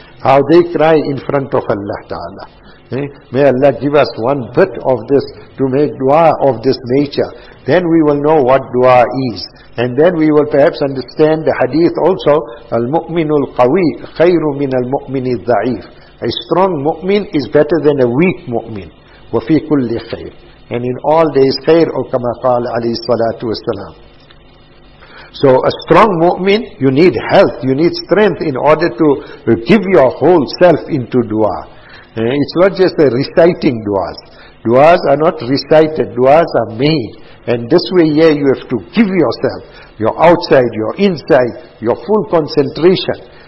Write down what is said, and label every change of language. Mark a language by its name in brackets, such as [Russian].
[English] How they cry in front of Allah Ta'ala. May Allah give us one bit of this to make dua of this nature. Then we will know what dua is. And then we will perhaps understand the hadith also. [Arabic] Al-mu'minu al-qawi khayru min al-mu'mini al-za'if. [English] A strong mu'min is better than a weak mu'min. [Arabic] وَفِي كُلِّ خَيْرٍ [English] And in all days, [Arabic] خَيْرٌ كَمَا قَالَ عَلَيْهِ الصَّلَاةُ وَالسَّلَامُ [English] So a strong mu'min, you need health, you need strength in order to give your whole self into dua. It's not just the reciting duas. Duas are not recited, duas are made. And this way here you have to give yourself, your outside, your inside, your full concentration.